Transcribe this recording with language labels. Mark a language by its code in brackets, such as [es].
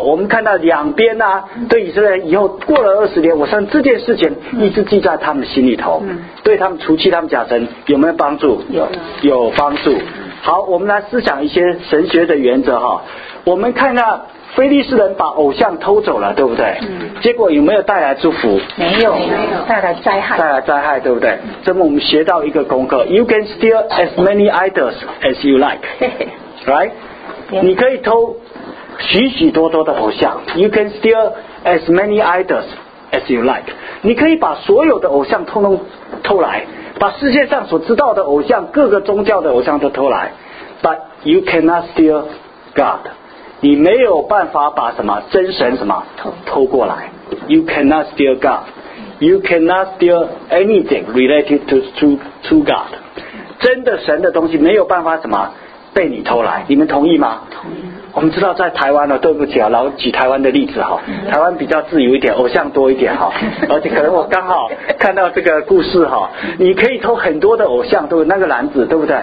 [zh] 我们看到两边啊，对以色列人以后过了二十年，我想这件事情一直记在他们心里头，对他们除去他们假神有没有帮助？有帮助。好，我们来思想一些神学的原则哈。我们看看非利士人把偶像偷走了，对不对？结果有没有带来祝福？没有，带来灾害。带来灾害，对不对？这么我们学到一个功课 [en] ：You can steal as many idols as you like, right？ [zh] 你可以偷许许多多的偶像。 [en] You can steal as many idols as you like。 [zh] 你可以把所有的偶像通通偷来，把世界上所知道的偶像、各个宗教的偶像都偷来 ， [en] but you cannot steal God。 [zh] 你没有办法把什么真神什么偷过来。 [en] You cannot steal God. You cannot steal anything related to God. [zh] 真的神的东西没有办法什么被你偷来，你们同意吗？同意。我们知道在台湾呢，对不起啊，老举台湾的例子哈，台湾比较自由一点，偶像多一点哈，而且可能我刚好看到这个故事哈，你可以偷很多的偶像，都那个篮子，对不对？